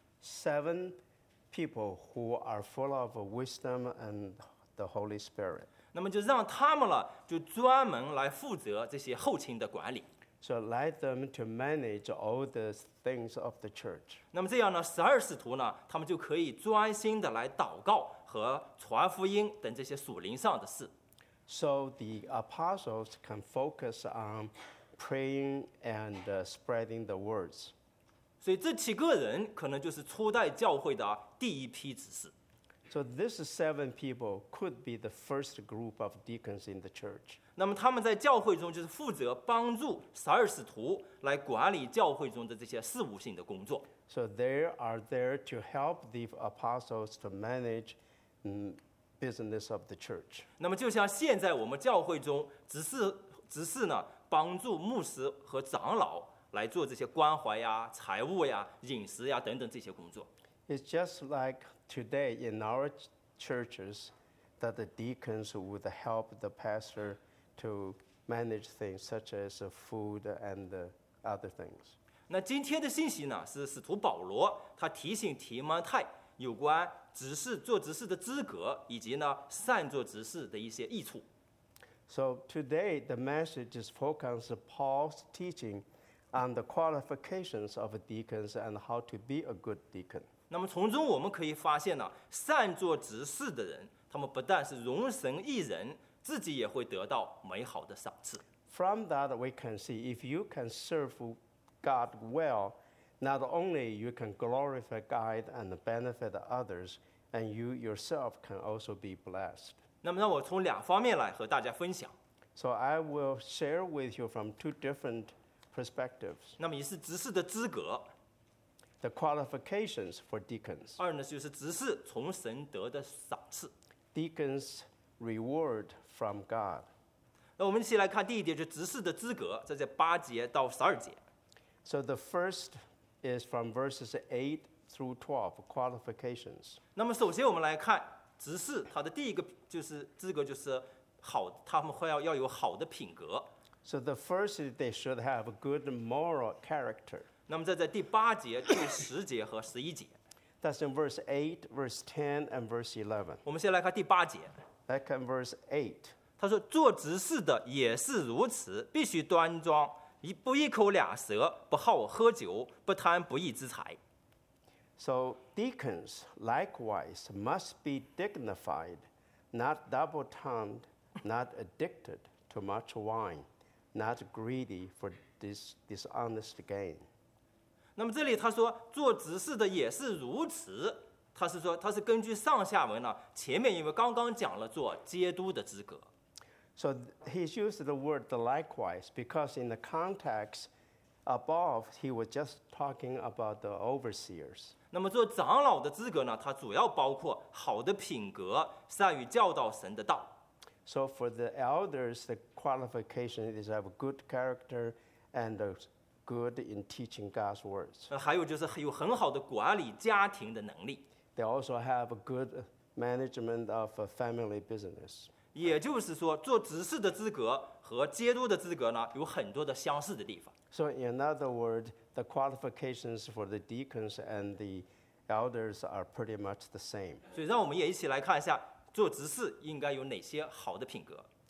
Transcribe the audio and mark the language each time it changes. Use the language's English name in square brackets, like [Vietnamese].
[English] Seven people who are full of wisdom and the Holy Spirit. [Chinese] 那么就让他们了，就专门来负责这些后勤的管理。 [English] So let them to manage all the things of the church. [Chinese] 那么这样呢，十二使徒呢，他们就可以专心的来祷告和传福音等这些属灵上的事。 [English] So the apostles can focus on praying and spreading the words. [Chinese] 所以这七个人可能就是初代教会的第一批执事。 [English] So these seven people could be the first group of deacons in the church. [Chinese] 那么他们在教会中就是负责帮助十二使徒来管理教会中的这些事务性的工作。 [English] So they are there to help the apostles to manage business of the church. [Chinese] 那么就像现在我们教会中执事呢，帮助牧师和长老来做这些关怀呀、财务呀、饮食呀等等这些工作。 [English] It's just like today in our churches that the deacons would help the pastor to manage things such as food and other things. [Chinese] 那今天的信息呢，是使徒保罗他提醒提摩太有关执事做执事的资格以及呢善做执事的一些益处。 [English] So today the message is focused on Paul's teaching on the qualifications of deacons and how to be a good deacon. [Chinese] 那么从中我们可以发现呢，善做执事的人，他们不但是荣神益人，自己也会得到美好的赏赐。 [English] From that we can see, if you can serve God well, not only you can glorify God and benefit others, and you yourself can also be blessed. [Chinese] 那么让我从两方面来和大家分享。 [English] So I will share with you from two different perspectives. [Chinese] 那么一是执事的资格。 [English] The qualifications for deacons. [Chinese] 二呢，就是执事从神得的赏赐。 [English] Deacons reward from God. [Chinese] 那我们一起来看第一点，就执事的资格，这在八节到十二节。 [English] So the first is from verses 8 through 12, qualifications. [Chinese] 那么首先我们来看执事，他的第一个就是资格就是好，他们会要有好的品格。 [English] So the first is they should have a good moral character. [Chinese] 那么在第八节、第十节和十一节。 [English] That's in verse 8, verse 10, and verse 11. [Chinese] 我们先来看第八节。 [English] Back in verse 8. [Chinese] 他说，做执事的也是如此，必须端庄，不一口两舌，不好喝酒，不贪不义之财。 [English] So deacons likewise must be dignified, not double-tongued, not addicted to much wine, not greedy for dishonest gain. [Chinese] 那么这里他说做执事的也是如此，他是说他是根据上下文呢，前面因为刚刚讲了做监督的资格。 [English] So he's used the word likewise because in the context above he was just talking about the overseers. [Chinese] 那么做长老的资格呢，它主要包括好的品格，善于教导神的道。 [English] So for the elders, the qualification is have a good character and a good in teaching God's words. [Chinese] 还有就是有很好的管理家庭的能力。 [English] They also have a good management of a family business. [Chinese] 也就是说，做执事的资格和监督的资格呢，有很多的相似的地方。 [English] So in other words, the qualifications for the deacons and the elders are pretty much the same. [Chinese] 所以让我们也一起来看一下，做执事应该有哪些好的品格。